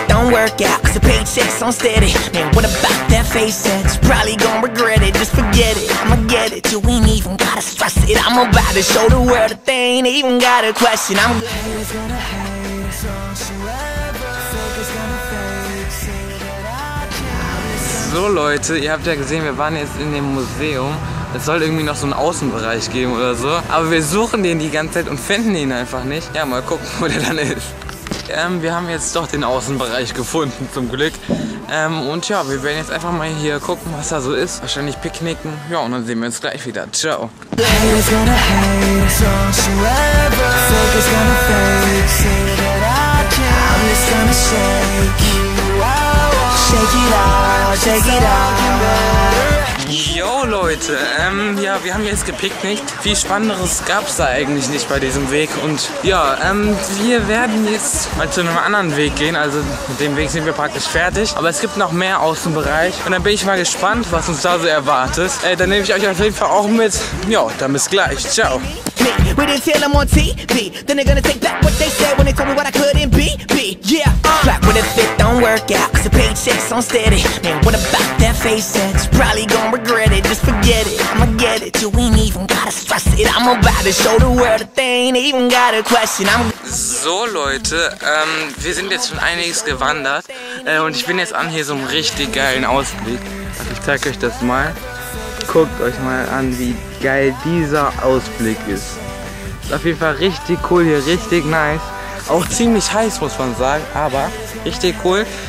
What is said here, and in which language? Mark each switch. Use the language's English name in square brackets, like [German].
[English] Work out, cause the paycheck's on steady. Man, what about that face set? It's probably gonna regret it. Just forget it, I'ma get it. You ain't even gotta stress it. I'm about to show the world a thing. Ain't even got a question. I'm gonna hate us on [German] So Leute, ihr habt ja gesehen, wir waren jetzt in dem Museum. Es soll irgendwie noch so einen Außenbereich geben oder so. Aber wir suchen den die ganze Zeit und finden ihn einfach nicht. Ja, mal gucken, wo der dann ist. Wir haben jetzt doch den Außenbereich gefunden, zum Glück. Und ja, wir werden jetzt einfach mal hier gucken, was da so ist. Wahrscheinlich picknicken. Ja, und dann sehen wir uns gleich wieder. Ciao. Yo Leute, ja, wir haben jetzt gepicknickt. Viel Spannenderes gab's da eigentlich nicht bei diesem Weg. Und ja, wir werden jetzt mal zu einem anderen Weg gehen. Also mit dem Weg sind wir praktisch fertig. Aber es gibt noch mehr Außenbereich. Und dann bin ich mal gespannt, was uns da so erwartet. Dann nehme ich euch auf jeden Fall auch mit. Ja, dann bis gleich. Ciao. [English] We didn't see them on TV. Then they're gonna take back what they said when they told me what I couldn't be. Be, yeah. Clap when if it don't work out, cause the paycheck's unsteady. Man, what about that face set? It's probably gonna regret it. Just forget it, I'ma get it. You ain't even gotta stress it. I'm about to show the world a thing. Ain't even got a question. [German] I'm So Leute, wir sind jetzt schon einiges gewandert. Und ich bin jetzt an hier so einem richtig geilen Ausblick. Also ich zeig euch das mal. Guckt euch mal an, wie geil dieser Ausblick ist. Ist auf jeden Fall richtig cool hier, richtig nice. Auch ziemlich heiß, muss man sagen, aber richtig cool.